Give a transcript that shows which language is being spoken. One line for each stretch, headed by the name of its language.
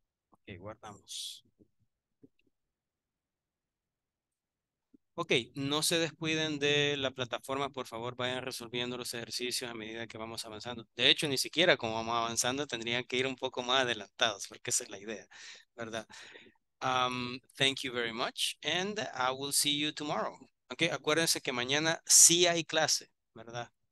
Spanish: Ok, guardamos. Ok, no se descuiden de la plataforma, por favor, vayan resolviendo los ejercicios a medida que vamos avanzando. De hecho, ni siquiera como vamos avanzando, tendrían que ir un poco más adelantados, porque esa es la idea, ¿verdad?
English: Thank you very much, and I will see you tomorrow.
Spanish: Okay, acuérdense que mañana sí hay clase, ¿verdad?